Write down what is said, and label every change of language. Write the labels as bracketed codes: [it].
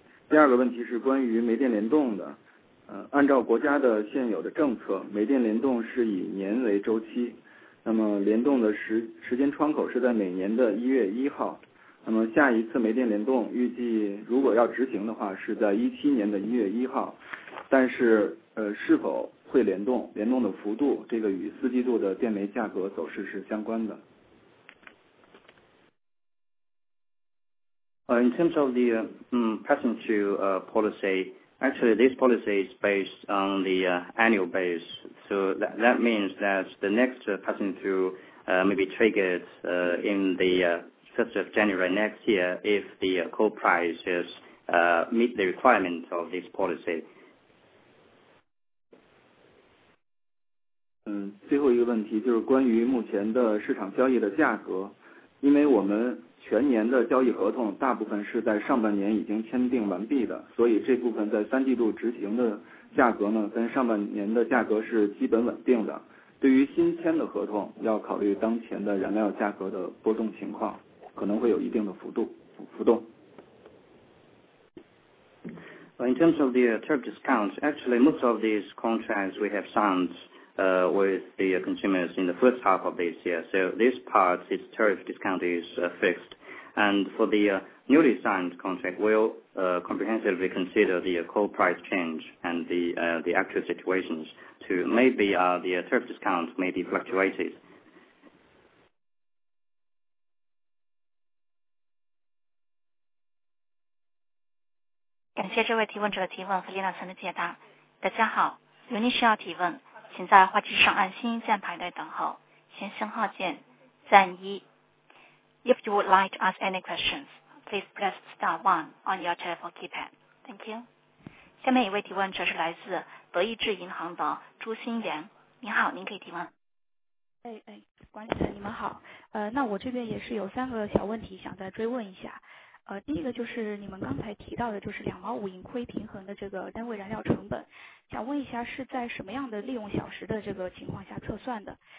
[zh] 第二个问题是关于煤电联动的。按照国家的现有的政策，煤电联动是以年为周期，那么联动的时间窗口是在每年的1月1号，那么下一次煤电联动预计如果要执行的话是在2017年的1月1号，但是是否会联动的幅度，这个与四季度的电煤价格走势是相关的。 [en] In terms of the passing through policy,actually, this policy is based on the annual base, so that means that the next passing through may be triggered in the 1st of January next year if the coal prices meet the requirement of this policy. [zh] 最后一个问题就是关于目前的市场交易的价格，因为我们全年的交易合同大部分是在上半年已经签订完毕的，所以这部分在三季度执行的价格呢，跟上半年的价格是基本稳定的。对于新签的合同，要考虑当前的燃料价格的波动情况，可能会有一定的浮动。 [en] In terms of the tariff discounts, actually most of these contracts we have signed with the consumers in the first half of this year. So this part, its tariff discount is fixed. And for the newly signed contract, we'll comprehensively consider the coal price change and the actual situations to maybe the tariff discount may be fluctuated. [zh] 感谢这位提问者的提问和林老师的解答。大家好，有你需要提问，请在话机上按星键排队等候，先生号键，赞一。 [en] If you would like to ask any questions, please press star 1 on your telephone keypad. Thank you. [zh] 下面一位提问者是来自德意志银行的朱新元。你好，您可以提问。哎哎，管理层你们好。那我这边也是有三个小问题想再追问一下。第一个就是你们刚才提到的，就是2.5盈亏平衡的这个单位燃料成本，想问一下是在什么样的利用小时的这个情况下测算的？